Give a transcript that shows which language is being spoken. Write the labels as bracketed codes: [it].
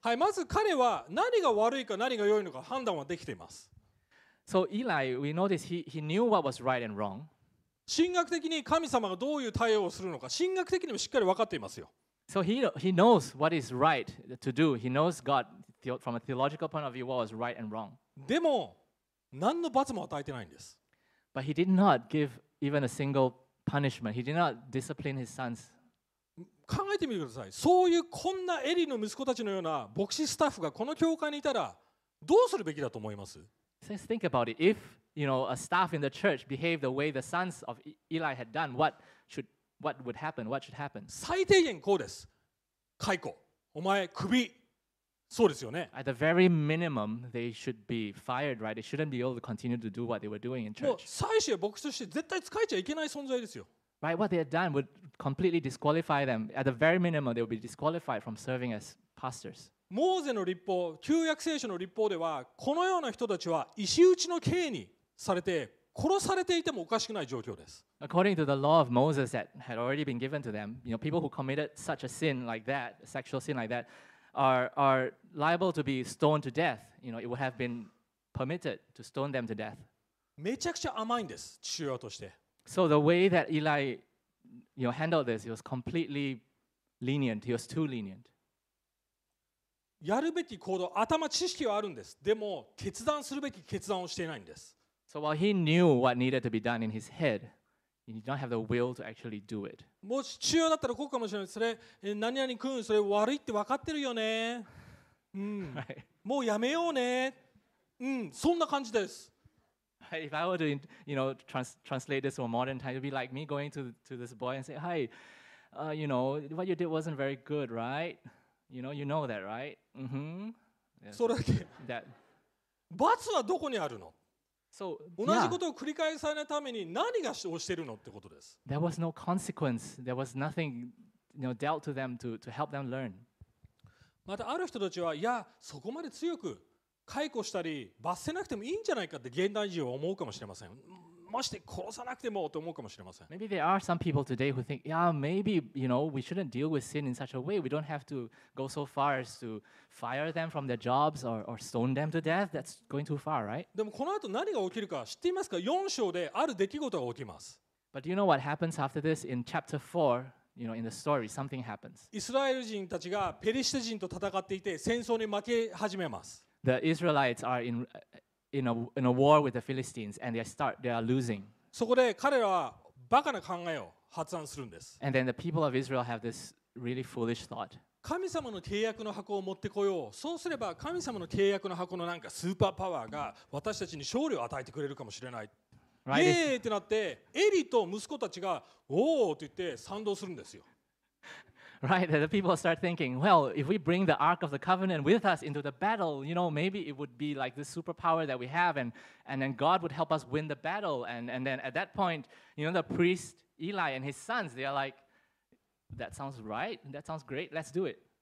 [ja] はい、まず彼は何が悪いか何が良いのか判断はできています。 [en] So Eli, we noticed he knew what was right and wrong. [ja] 神学的に神様がどういう対応をするのか神学的にもしっかり分かっていますよ。 [en] So he knows what is right to do. He knows God from a theological point of view what was right and wrong. [ja] でも何の罰も与えてないんです。 [en] But he did not give even a single punishment. He did not discipline his sons. [ja] 考えてみてください。そういうこんなエリの息子たちのような牧師スタッフがこの教会にいたらどうするべきだと思います？ [en] Just think about it. If you know a staff in the church behaved the way the sons of Eli had done, what should happen? [ja] 最低限こうです。解雇。お前クビ。そうですよね。 [en] At the very minimum, they should be fired, right? They shouldn't be able to continue to do what they were doing in church. [ja] 最初は牧師として絶対使えちゃいけない存在ですよ。 [en] Right, what they had done would completely disqualify them. At the very minimum, they would be disqualified from serving as pastors. [ja] モーゼの律法、旧約聖書の律法では、このような人たちは石打ちの刑にされて殺されていてもおかしくない状況です。 [en] According to the law of Moses that had already been given to them, you know, people who committed such a sin like that, a sexual sin like that, are liable to be stoned to death. You know, it would have been permitted to stone them to death. [ja] めちゃくちゃ甘いんです、父親として。 [en] So the way that Eli, you know, handled this, he was completely lenient. He was too lenient. [ja] やるべき行動、頭知識はあるんです。でも決断するべき決断をしていないんです。 [en] So while he knew what needed to be done in his head, he did not have the will to actually do it. [ja] もし父親だったらこうかもしれない。それ何々君、それ悪いって分かってるよね。うん。もうやめようね。うん、そんな感じです。 [en] If I were to, you know, translate this to a modern time, it'd be like me going to this boy and say, "Hi, you know, what you did wasn't very good, right? You know that, right?" Mm-hmm. [ja] Yes. それだけ。 [en] That. [ja] 罰はどこにあるの？ [en] So, [ja] 同じことを繰り返さないために何がしてるのってことです。 [en] There was no consequence. There was nothing, you know, dealt to them to help them learn. [ja] またある人たちは、いや、そこまで強く。解雇したり罰せなくてもいいんじゃないかって現代人は思うかもしれません。まして殺さなくてもと思うかもしれません。 [en] Maybe there are some people today who think, yeah, maybe, you know, we shouldn't deal with sin in such a way. We don't have to go so far as to fire them from their jobs or stone them to death. That's going too far, right? [ja] でもこの後何が起きるか知っていますか ?4 章である出来事が起きます。 [en] But do you know what happens after this? In chapter 4, you know, in the story, something happens. [ja] イスラエル人たちがペリシテ人と戦っていて戦争に負け始めます。 [en] The Israelites are in a war with the Philistines, and they are losing. [ja] そこで彼らはバカな考えを発案するんです。 [en] And then the people of Israel have this really foolish thought. [ja] 神様の契約の箱を持ってこよう。そうすれば神様の契約の箱のなんかスーパーパワーが私たちに勝利を与えてくれるかもしれない。 [en] Right? [ja] イエーってなってエリと息子たちがおーって言って賛同するんですよ。 [en] Right, the people start thinking, well, if we bring the Ark of the Covenant with us into the battle, you know, maybe it would be like the superpower that we have, and then God would help us win the battle. And then at that point, you know, the priest Eli and his sons, they are like, that sounds right, that sounds great, let's do it.